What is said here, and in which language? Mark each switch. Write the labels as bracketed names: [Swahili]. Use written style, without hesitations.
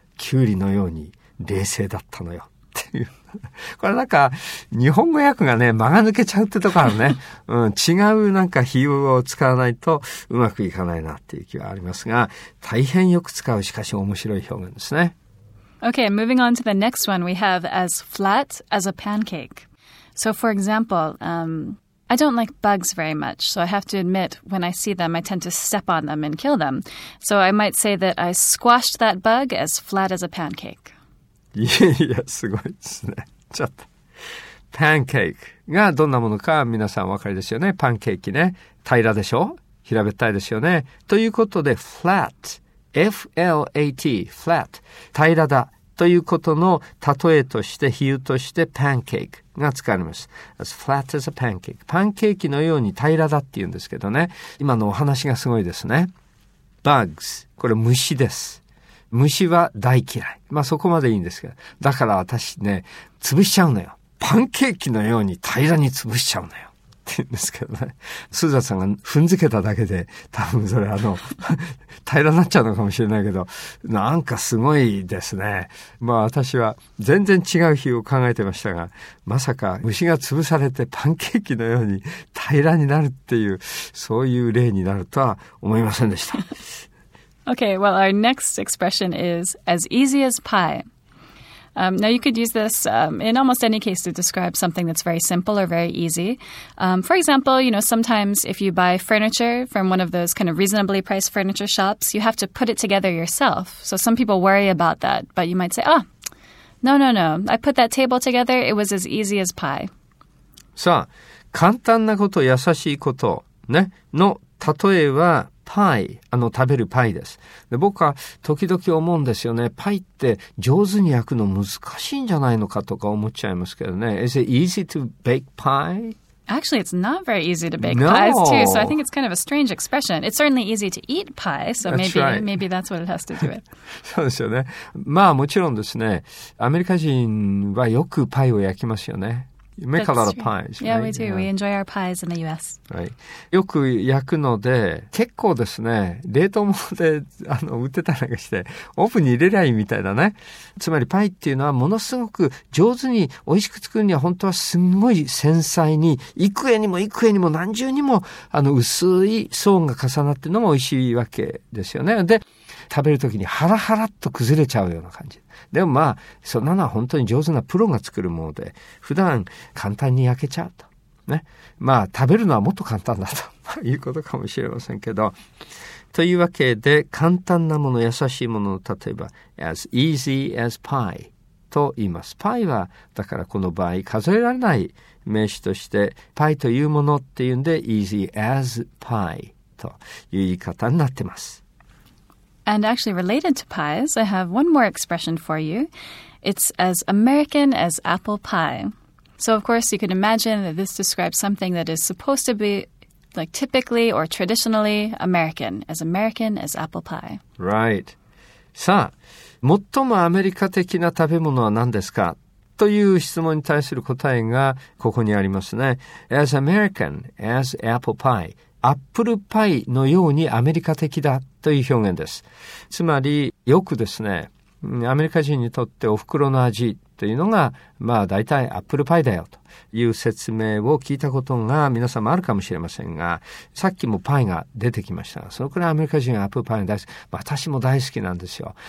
[Japanese] キュウリのように冷静だったのよ。っていう。これなんか日本語訳がね間が抜けちゃうってとこあるね、うん、違うなんか比喩を使わないとうまくいかないなっていう気はありますが大変よく使うしかし面白い表現ですね [English] Okay, moving on to the next one we have as flat as a pancake So for example, I don't like bugs very much, so I have to admit, when I see them, I tend to step on them and kill them So I might say that I squashed that bug as flat as a pancake [Japanese] いやすごいですね。ちょっと。パンケーキがどんなものか皆さんお分かりですよね。パンケーキね。平らでしょ?平べったいですよね。ということで、flat。 F-L-A-T。 flat。 平らだ。ということの例えとして、比喩として、パンケーキが使われます。 [English] as flat as a pancake。 [Japanese] パンケーキのように平らだって言うんですけどね。今のお話がすごいですね。 bugs。 これ虫です。虫は大嫌い。まあそこまでいいんですけど。だから私ね、潰しちゃうのよ。パンケーキのように平らに潰しちゃうのよ。って言うんですけどね。スーザーさんが踏んづけただけで、多分それ平らになっちゃうのかもしれないけど、なんかすごいですね。まあ私は全然違う日を考えてましたが、まさか虫が潰されてパンケーキのように平らになるっていう、そういう例になるとは思いませんでした。 [English] Okay, well, our next expression is as easy as pie. Now, you could use this in almost any case to describe something that's very simple or very easy. For example, you know, sometimes if you buy furniture from one of those kind of reasonably priced furniture shops, you have to put it together yourself. So some people worry about that, but you might say, oh, no. I put that table together. It was as easy as pie. [Japanese] さあ、簡単なこと、優しいこと、ね、の例えは、パイ、食べるパイです。で、僕は時々思うんですよね。パイって上手に焼くの難しいんじゃないのかとか思っちゃいますけどね。 [English] Is it easy to bake pie? Actually, it's not very easy to bake pies too. So I think it's kind of a strange expression. It's certainly easy to eat pie. So maybe that's what it has to do with. [Japanese] そうですよね。まあもちろんですね。アメリカ人はよくパイを焼きますよね。 [English] You make、 That's、 a lot of pies. Yeah, right? We do. We enjoy our pies in the U.S. Right. [Japanese] よく焼くので、結構ですね、冷凍物で売ってたりして、オーブンに入れりゃいいみたいだね。つまりパイっていうのはものすごく上手に美味しく作るには本当はすごい繊細に、幾重にも何重にも薄い層が重なってるのも美味しいわけですよね。で、食べるときにハラハラっと崩れちゃうような感じ。でもまあそんなのは本当に上手なプロが作るもので普段簡単に焼けちゃうとね。まあ食べるのはもっと簡単だということかもしれませんけどというわけで簡単なもの優しいものを例えば [English] as easy as pie [Japanese] と言いますパイはだからこの場合数えられない名詞としてパイというものっていうんで [English] easy as pie [Japanese] という言い方になってます And actually related to pies, I have one more expression for you. It's as American as apple pie. So of course, you can imagine that this describes something that is supposed to be like typically or traditionally American as apple pie. Right. さあ、最もアメリカ的な食べ物は何ですか? という質問に対する答えがここにありますね。 [English] As American as apple pie. [Japanese] アップルパイのようにアメリカ的だという表現です。つまり、よくですね、アメリカ人にとってお袋の味というのが、まあ大体アップルパイだよという説明を聞いたことが皆さんもあるかもしれませんが、さっきもパイが出てきましたが、そのくらいアメリカ人はアップルパイが大好き。私も大好きなんですよ。